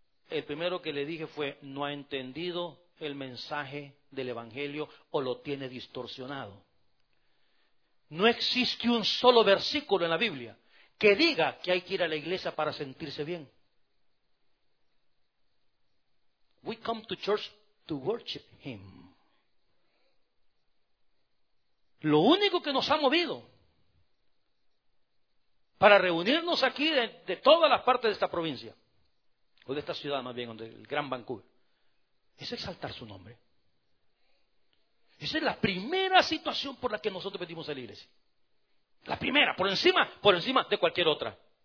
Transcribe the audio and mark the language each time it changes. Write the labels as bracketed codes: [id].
[es] El primero que le dije fue, no ha entendido el mensaje del Evangelio o lo tiene distorsionado. No existe un solo versículo en la Biblia que diga que hay que ir a la iglesia para sentirse bien. [en] We come to church to worship Him. [es] Lo único que nos ha movido para reunirnos aquí de todas las partes de esta provincia, o de esta ciudad más bien, del Gran Vancouver, es exaltar su nombre. Esa es la primera situación por la que nosotros pedimos a la iglesia. La primera, por encima de cualquier otra.